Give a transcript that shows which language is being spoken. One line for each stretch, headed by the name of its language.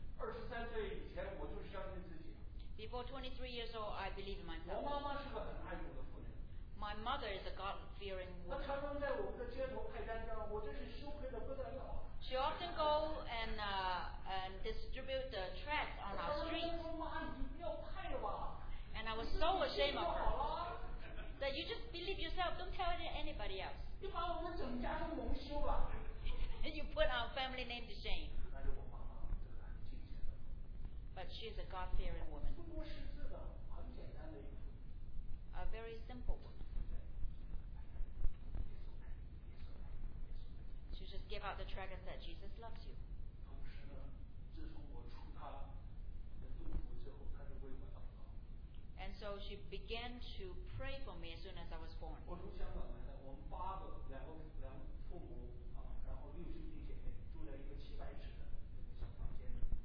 Chinese: 二十三岁以前，我就相信自己。
English: Before 23 years old, I believe in myself.
Chinese: 我妈妈是个很爱主的妇人。
English: My mother is a God-fearing woman.
Chinese: 她常常在我们的街头派单张，我真是羞愧的不得了。
English: She often go and distribute the tracts on our streets.
Chinese: 我说：“妈，你不要派了吧。”
English: And I was so ashamed of her. That you just believe yourself. Don't tell anybody else.
Chinese: 你把我们整家都蒙羞了。
English: You put our family name to shame.
Chinese: 但是我妈妈是个很敬虔的。
English: But she is a God-fearing woman.
Chinese: 不过是这个很简单的一个。
English: A very simple one.
Chinese: 耶稣爱你。
English: She just gave out the tract and said, Jesus loves you.
Chinese: 同时呢，自从我出她的肚子之后，她就为我祷告。
English: And so she began to pray for me as soon as I was born.
Chinese: 我从香港来的，我们八个，两父母啊，然后六兄弟姐妹住在一个七百尺的小房间里。